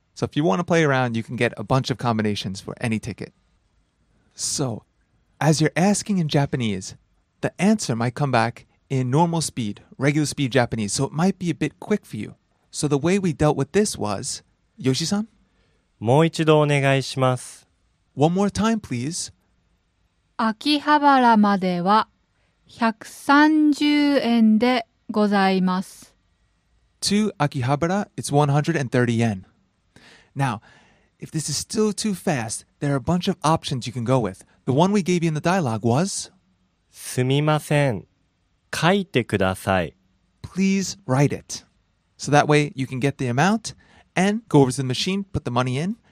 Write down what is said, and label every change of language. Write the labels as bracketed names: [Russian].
[English] So if you want to play around, you can get a bunch of combinations for any ticket. So, as you're asking in Japanese, the answer might come back,in normal speed, regular speed Japanese, so it might be a bit quick for you. So the way we dealt with this was, Yoshi-san? [Japanese] もう一度お願いします。 [English] One more time, please. [Japanese] 秋葉原までは130円でございます。 [English] To Akihabara, it's 130 yen. Now, if this is still too fast, there are a bunch of options you can go with. The one we gave you in the dialogue was? [Japanese] すみません。書いてください。 [English] Please write it. So that way you can get the amount and go over to the machine, put the money in.